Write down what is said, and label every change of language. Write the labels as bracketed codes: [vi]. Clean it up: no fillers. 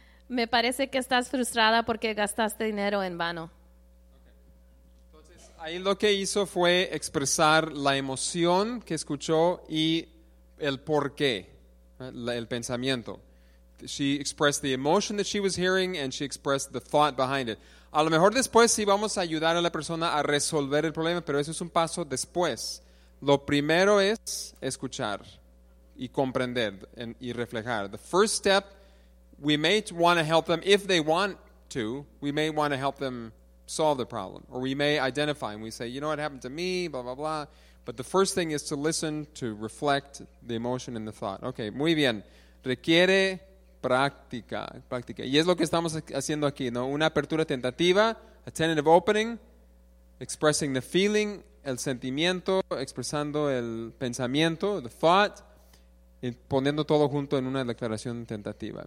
[es] Me parece que estás frustrada porque gastaste dinero en vano. [en] Okay. [es] Entonces, ahí lo que hizo fue expresar la emoción que escuchó y el por qué, el pensamiento. [en] She expressed the emotion that she was hearing, and she expressed the thought behind it. [es] A lo mejor después sí vamos a ayudar a la persona a resolver el problema, pero eso es un paso después. Lo primero es escuchar y comprender y reflejar. [en] The first step, we may want to help them if they want to. We may want to help them solve the problem. Or we may identify and we say, you know what happened to me, blah, blah, blah. But the first thing is to listen, to reflect the emotion and the thought. [es] Okay, muy bien. Requiere práctica, práctica. Y es lo que estamos haciendo aquí, ¿no? Una apertura tentativa, [en] a tentative opening, expressing the feeling, [es] el sentimiento, expresando el pensamiento, [en] the thought, [es] y poniendo todo junto en una declaración tentativa.